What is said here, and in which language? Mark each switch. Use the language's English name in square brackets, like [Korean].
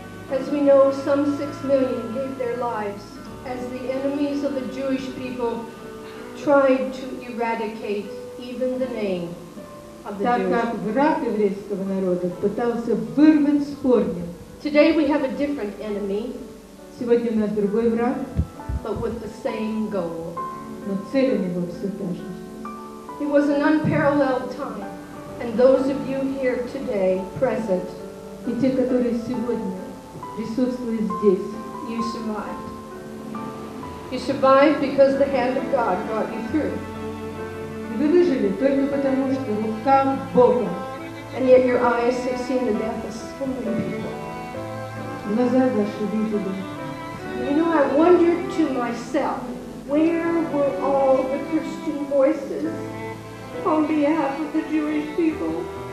[English] As we know, some 6 million gave their lives as the enemies of the Jewish people tried to eradicate even the name of the Jewish people. Today we have a different enemy. [Russian] Сегодня у нас другой враг. [English] But with the same goal. [Russian] Но цель у него все та же. [English] It was an unparalleled time. And those of you here today, present, [Russian] и те, которые сегодня присутствуют здесь, [English] you survived. You survived because the hand of God brought you through. [Russian] И вы выжили только потому, что рука Бога. [English] And yet your eyes have seen the death of so many people. [Russian] Глаза ваши видели. [English] You know, I wondered to myself, where were all the Christian voices on behalf of the Jewish people?